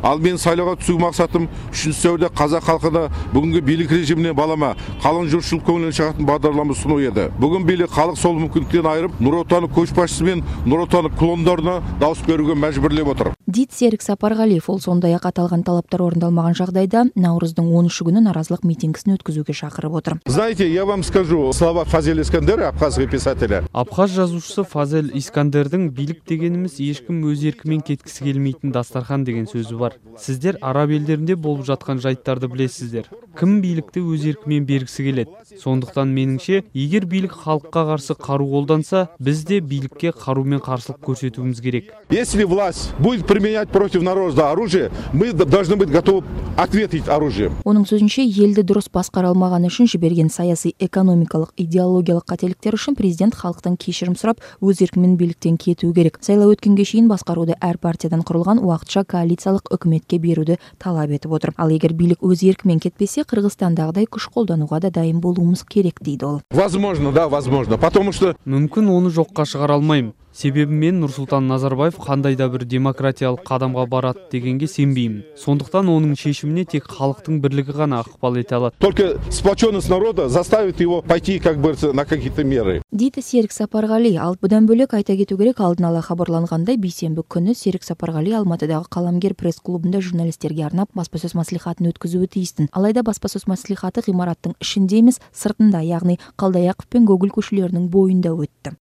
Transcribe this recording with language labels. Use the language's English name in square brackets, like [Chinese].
[Kazakh] Ал мен сайлауға түсу мақсатым 3 сәуірде қазақ халқына бүгінгі билік режиміне балама қалың жұртшылық көңілін шығатын бағдарлама ұсыну еді. Бүгін билік халық сол мүмкіндіктен айырып Нұр Отан көшбасшысы мен Нұр Отан клондарына дауыс беруге мәжбүрлеп отыр. Серік Сапарғалиев ол сондай-ақ аталған талаптар орындалмаған жағдайда наурыздың 13-ші күні наразылық митингісін өткізуге шақырып отыр. [Russian] Знаете, я вам скажу, слова Фазель Искандера, абхазский писателя. [Kazakh] Абхаз жазушысы Фазель Искандердің билік дегеніміз ешкім өз еркімен кеткісі келмейтін дастархан деген сөзі бар. Сіздер араб елдерінде болып жатқан жайттарды білесіздер. Кім билікті өз еркімен бергісі келеді? Сондықтан меніңше, егер билік халыққа қарсы қару қолданса, біз де билікке қарумен қарсылық көрсетуіміз керек. [Russian] Если власть будет применять против народа оружие, мы должны быть готовы ответить оружием. [Kazakh] Оның сөзінше, елді дұрыс басқара алмағаны үшін жіберген саяси, экономикалық, идеологиялық қателіктер үшін президент халықтан кешірім сұрап, өз еркімен биліктен кету керек. Сайлау өткенге шейін басқаруды әр партиядан құрылған уақытша коалициялық үкіметке беруді талап етіп отыр. Ал егер билік өз еркімен кетпесе, Қырғызстандағыдай күш қолдануға да дайын болуымыз керек, дейді ол. [Russian] Возможно, да, возможно. Потому что [Kazakh] мүмкін оны жоққа шығара алмаймын. Себебі мен Нұрсұлтан Назарбаев қандай да бір демократиялық қадамға барады дегенге сенбеймін. Сондықтан оның шешіміне тек халықтың бірлігі ғана ықпал ете алады. [Russian] Только сплоченность народа заставит его пойти как бы на какие-то меры. [Kazakh] Дейді Серік Сапарғали. Ал бұдан бөлек айта кету керек, алдын ала хабарланғандай бейсенбі күні Серік Сапарғали Алматыдағы қаламгер пресс-клубында журналистерге арнап баспасөз мәслихатын өткізуі тиістін. Алайда баспасөз мәслихаты ғимараттың ішінде емес, сыртында, яғни Қалдаяқов пен Гоголь көшелерінің бойында өтті.